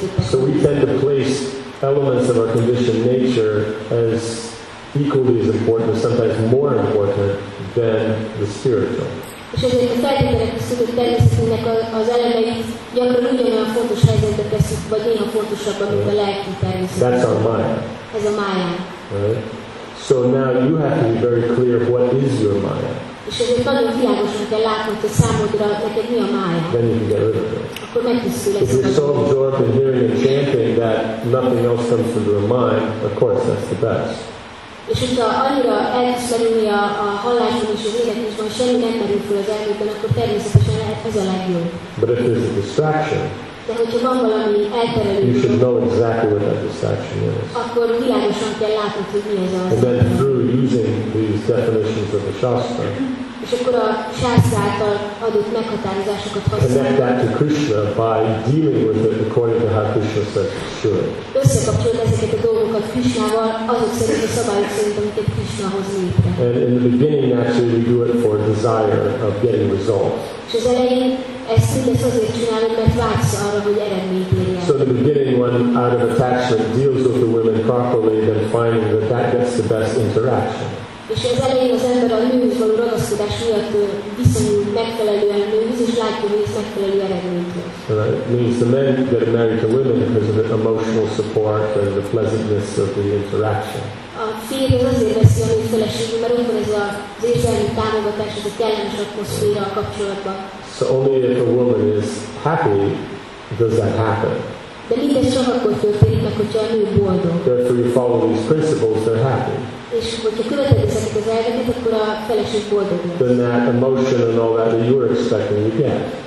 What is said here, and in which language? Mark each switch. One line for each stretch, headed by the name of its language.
English: So we tend to place elements of our conditioned nature as equally as important, or sometimes more important than the spiritual.
Hungarian: És ezért a feltételek az elemeit gyakran ugyanolyan fontos helyzetbe teszik, vagy néha fontosabban, mint a lelki természet.
English: That's our mind.
Hungarian: Ez a mind.
English: Right? So now you have to be very clear of what is your mind.
Hungarian: És ezért nagyon világosan kell látnod, hogy számodra neked mi a mind.
English: Then you can get rid of it.
Hungarian: Akkor megtisztul ezt.
English: If you're so absorbed in hearing and chanting that nothing else comes into your mind, of course that's the best.
Hungarian: És hogyha annyira elkezdeni a halláson és az életésben, semmi nem merül föl az elmében, akkor természetesen ez a legjobb.
English: But if there's a distraction,
Hungarian: de hogyha van valami elterelő,
English: you should know exactly what that distraction is.
Hungarian: Akkor világosan kell látnod, hogy mi az az.
English: And then through using these definitions of the Shastra,
Hungarian: és akkor a Shastra által adott meghatározásokat használ.
English: Connect that to Krishna by dealing with it according to how Krishna says it should.
Hungarian: Összekapcsolod ezeket a dolgokat Krishnával, azok szerint a szabályok szerint, amiket Krishna hoz létre.
English: And in the beginning, actually, we do it for desire of getting results.
Hungarian: És az elején ezt mindezt azért csinálod, mert vágysz arra, hogy eredményt érjen.
English: So the beginning one, out of attachment, deals with the women properly, then finding that that gets the best interaction.
Hungarian: És az elején az ember a nőhöz való ragaszkodás miatt viszonyul megfelelően nőhöz, és látja, hogy ez megfelelő eredményt hoz.
English: And it means the men get married to women because of the emotional support and the pleasantness of the interaction.
Hungarian: A férj az azért veszi a nő feleségül, mert ott van ez az érzelmi támogatás, ez a kellemes atmoszféra a kapcsolatban.
English: So only if a woman is happy does that happen.
Hungarian: De mindez csak akkor történik meg, hogyha a nő boldog.
English: Therefore you follow these principles, they're happy.
Hungarian: És hogyha követed ezeket az elveket, akkor a feleség boldog lesz.
English: Then that emotion and all that you were expecting, you get.